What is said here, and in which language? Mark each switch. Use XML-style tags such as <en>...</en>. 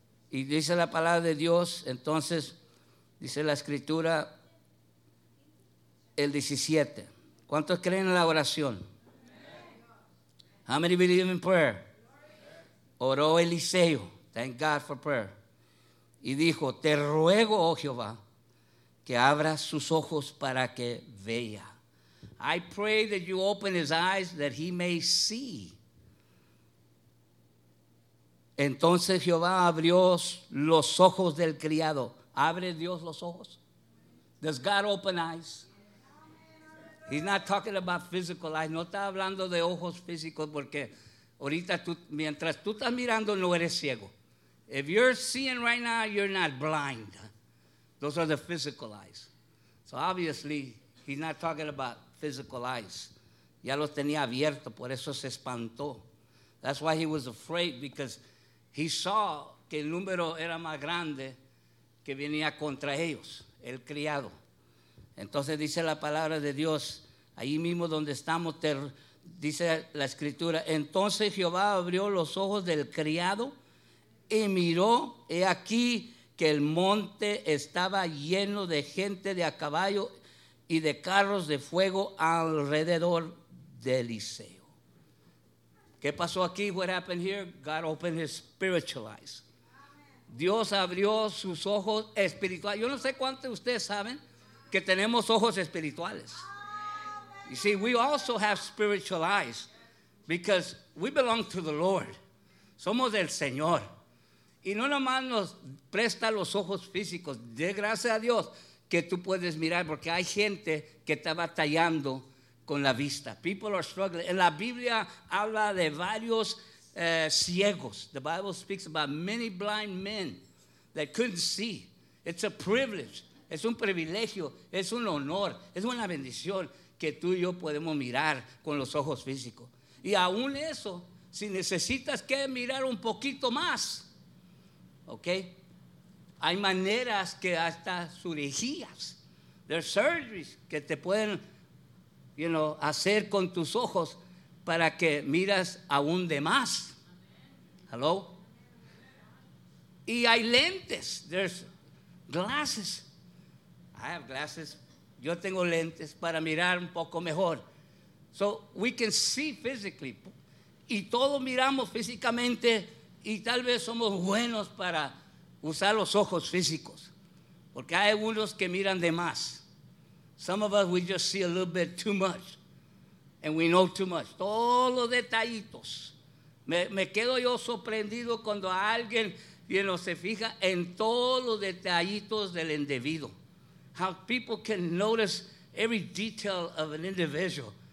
<es>Y dice la palabra de Dios, entonces, dice la escritura, el 17. ¿Cuántos creen en la oración?</es> <en>How many believe in prayer?</en> <es>Oró Eliseo,</es> <en>thank God for prayer,</en> <es>y dijo: te ruego, oh Jehová, que abras sus ojos para que vea.</es> <en>I pray that you open his eyes that he may see.</en> <es>Entonces Jehová abrió los ojos del criado. ¿Abre Dios los ojos?</es> <en>Does God open eyes? He's not talking about physical eyes.</en> <es>No está hablando de ojos físicos porque ahorita tú, mientras tú estás mirando, no eres ciego.</es> <en>If you're seeing right now, you're not blind. Those are the physical eyes. So obviously, he's not talking about physical eyes.</en> <es>Ya los tenía abierto, por eso se espantó.</es> <en>That's why he was afraid, because he saw</en> <es>que el número era más grande que venía contra ellos, el criado. Entonces dice la palabra de Dios, ahí mismo donde estamos, dice la escritura, entonces Jehová abrió los ojos del criado y miró, he aquí que el monte estaba lleno de gente de a caballo y de carros de fuego alrededor de Eliseo. ¿Qué pasó aquí?</es> <en>What happened here? God opened his spiritual eyes.</en> <es>Dios abrió sus ojos espirituales. Yo no sé cuántos de ustedes saben que tenemos ojos espirituales.</es> <en>You see, we also have spiritual eyes because we belong to the Lord.</en> <es>Somos del Señor. Y no nomás nos presta los ojos físicos. De gracias a Dios que tú puedes mirar, porque hay gente que está batallando con la vista.</es> <en>People are struggling.</en> <es>En la Biblia habla de varios ciegos.</es> <en>The Bible speaks about many blind men that couldn't see. It's a privilege.</en> <es>Es un privilegio. Es un honor. Es una bendición que tú y yo podemos mirar con los ojos físicos. Y aún eso, si necesitas que mirar un poquito más, ¿ok? Hay maneras que hasta cirugías,</es> <en>there's surgeries</en> <es>que te pueden,</es> <en>you know,</en> <es>hacer con tus ojos para que miras aún de más. Hello. Y hay lentes,</es> <en>there's glasses. I have glasses.</en> <es>Yo tengo lentes para mirar un poco mejor.</es> <en>So we can see physically.</en> <es>Y todos miramos físicamente y tal vez somos buenos para usar los ojos físicos, porque hay unos que miran de más.</es> <en>Some of us, we just see a little bit too much and we know too much.</en> <es>Todos los detallitos. Me quedo yo sorprendido cuando alguien,</es> <en>you know,</en> <es>se fija en todos los detallitos del individuo.</es> <en>How people can notice every detail of an individual.</en>